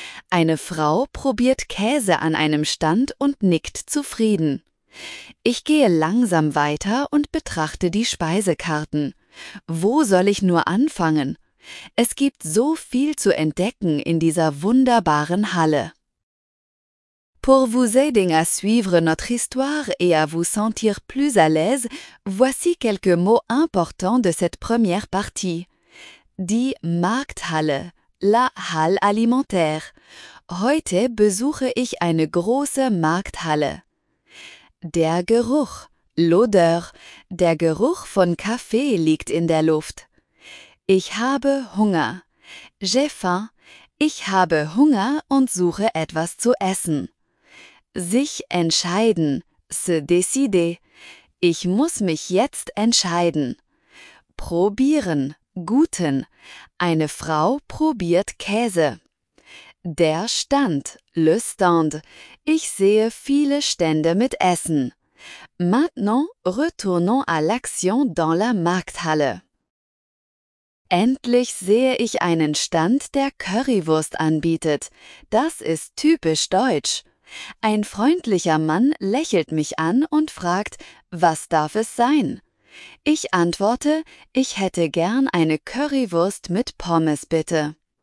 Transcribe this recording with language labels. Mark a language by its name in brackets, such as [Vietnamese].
[German] Eine Frau probiert Käse an einem Stand und nickt zufrieden. Ich gehe langsam weiter und betrachte die Speisekarten. Wo soll ich nur anfangen? Es gibt so viel zu entdecken in dieser wunderbaren Halle. [French] Pour vous aider à suivre notre histoire et à vous sentir plus à l'aise, voici quelques mots importants de cette première partie. [German] Die Markthalle, [French] la Halle alimentaire. [German] Heute besuche ich eine große Markthalle. Der Geruch, [French] l'odeur, [German] der Geruch von Kaffee liegt in der Luft. Ich habe Hunger. [French] J'ai faim. [German] Ich habe Hunger und suche etwas zu essen. Sich entscheiden. [French] Se décider. [German] Ich muss mich jetzt entscheiden. Probieren. Guten. Eine Frau probiert Käse. Der Stand. [French] Le stand. [German] Ich sehe viele Stände mit Essen. [French] Maintenant, retournons à l'action dans la Markthalle. [German] Endlich sehe ich einen Stand, der Currywurst anbietet. Das ist typisch deutsch. Ein freundlicher Mann lächelt mich an und fragt, was darf es sein? Ich antworte, ich hätte gern eine Currywurst mit Pommes, bitte.